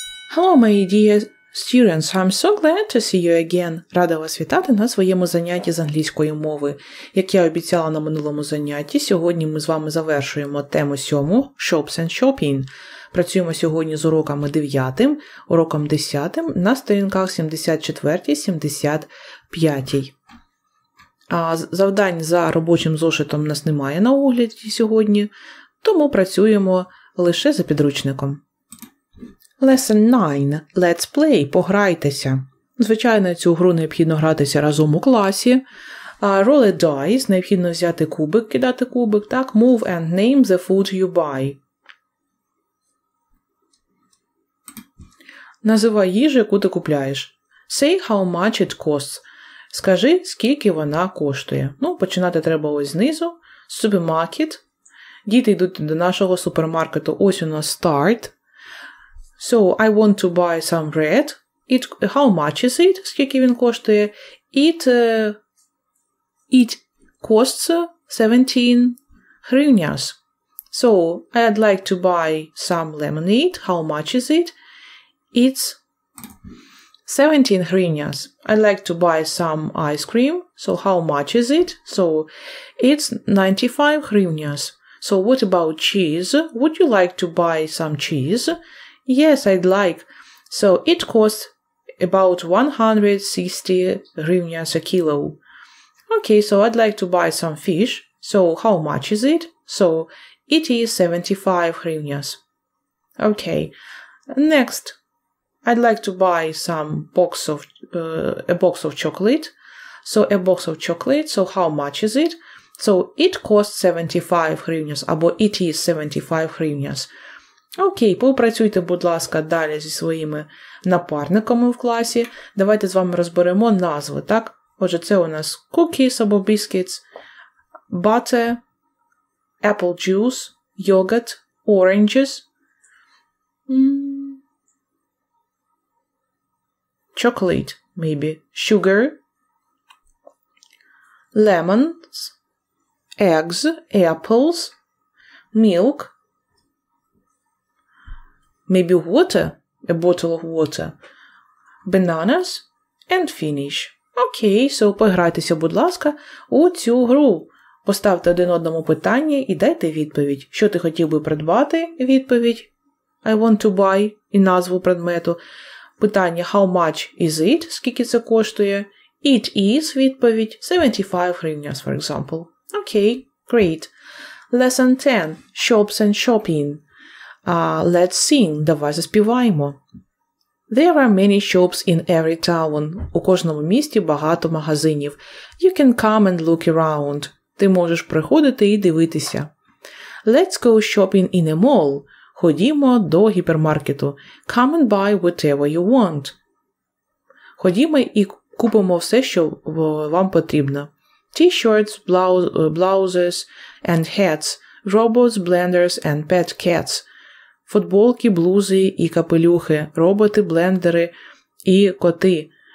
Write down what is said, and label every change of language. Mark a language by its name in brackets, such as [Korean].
[English] Hello, my dear students, I'm so glad to see you again. [Ukrainian] Рада вас вітати на своєму занятті з англійської мови. Як я обіцяла на минулому занятті, сьогодні ми з вами завершуємо тему 7 [English] «Shops and Shopping». [Ukrainian] Працюємо сьогодні з уроками 9, уроком 10 на сторінках 74-75. А завдань за робочим зошитом нас немає на огляді сьогодні, тому працюємо лише за підручником. [English] Lesson 9. Let's play. [Ukrainian] Пограйтеся. Звичайно, цю гру необхідно гратися разом у класі. [English] Roll a dice. [Ukrainian] Необхідно взяти кубик, кидати кубик. [English] Так, move and name the food you buy. [Ukrainian] Називай їжу, яку ти купляєш. [English] Say how much it costs. [Ukrainian] Скажи, скільки вона коштує. Ну, починати треба ось знизу. Supermarket. Діти йдуть до нашого супермаркету. Ось у нас start. [English] So, I want to buy some bread. It, how much is it? [Ukrainian] Скільки він коштує? [English] It costs 17 hryvnias. So, I'd like to buy some lemonade. How much is it? It's 17 hryvnias. I'd like to buy some ice cream. So, how much is it? So, it's 95 hryvnias. So, what about cheese? Would you like to buy some cheese? Yes, I'd like. So, it costs about 160 hryvnias a kilo. Okay, so I'd like to buy some fish. So, how much is it? So, it is 75 hryvnias. Okay, next, I'd like to buy some box of chocolate. So, a box of chocolate. So, how much is it? So, it costs 75 hryvnias. Або, it is 75 hryvnias. [Ukrainian] Окей, попрацюйте, будь ласка, далі зі своїми напарниками в класі. Давайте з вами розберемо назви, так? Отже, це у нас cookies або biscuits, butter, apple juice, yogurt, oranges, chocolate, maybe, sugar, lemons, eggs, apples, milk, maybe water, a bottle of water, bananas, and finish. Окей, [English] so [Ukrainian] пограйтеся, будь ласка, у цю гру. Поставте один одному питання і дайте відповідь. Що ти хотів би придбати? [English] Відповідь. I want to buy. [Ukrainian] І назву предмету. [English] Питання how much is it? [Ukrainian] Скільки це коштує? [English] It is. [Ukrainian] Відповідь. [English] 75 hryvnias, for example. Окей, great. Lesson 10. Shops and shopping. Let's sing. [Ukrainian] Давай заспіваємо. [English] There are many shops in every town. [Ukrainian] У кожному місті багато магазинів. [English] You can come and look around. [Ukrainian] Ти можеш приходити і дивитися. [English] Let's go shopping in a mall. [Ukrainian] Ходімо до гіпермаркету. [English] Come and buy whatever you want. [Ukrainian] Ходімо і купимо все, що вам потрібно. [English] T-shirts, blouses and hats. Robots, blenders and pet cats. [Ukrainian] Футболки, блузи і капелюхи, роботи, блендери і коти.